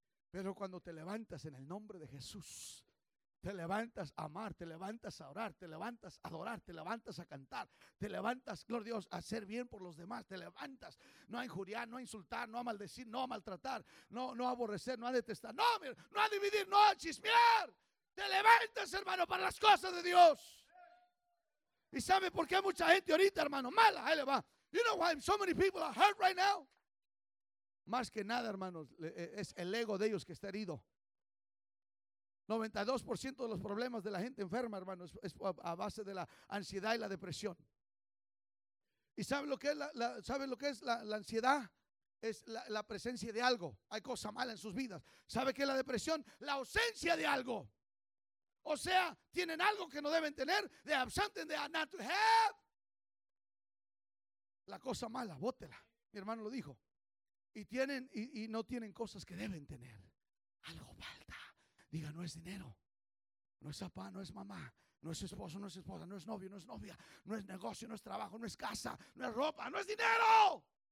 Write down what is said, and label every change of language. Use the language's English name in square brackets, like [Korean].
[Spanish] Pero cuando te levantas en el nombre de Jesús, te levantas a amar, te levantas a orar, te levantas a adorar, te levantas a cantar, te levantas, gloria a Dios, a hacer bien por los demás, te levantas, no a injuriar, no a insultar, no a maldecir, no a maltratar, no a aborrecer, no a detestar, no a dividir, no a chismear. Te levantas, hermano, para las cosas de Dios. ¿Y sabe por qué mucha gente ahorita, hermano, mala? Ahí le va. [English] You know why so many people are hurt right now? [Spanish] Más que nada, hermanos, es el ego de ellos que está herido. 92% de los problemas de la gente enferma, hermano, es a base de la ansiedad y la depresión. ¿Y sabe lo que es la ansiedad? Es la presencia de algo. Hay cosa mala en sus vidas. ¿Sabe qué es la depresión? La ausencia de algo. O sea, tienen algo que no deben tener. [English] They have something they are not to have. [Spanish] La cosa mala, bótela. Mi hermano lo dijo. Y tienen y no tienen cosas que deben tener. Algo falta. Diga, no es dinero, no es papá, no es mamá, no es esposo, no es esposa, no es novio, no es novia, no es negocio, no es trabajo, no es casa, no es ropa, no es dinero.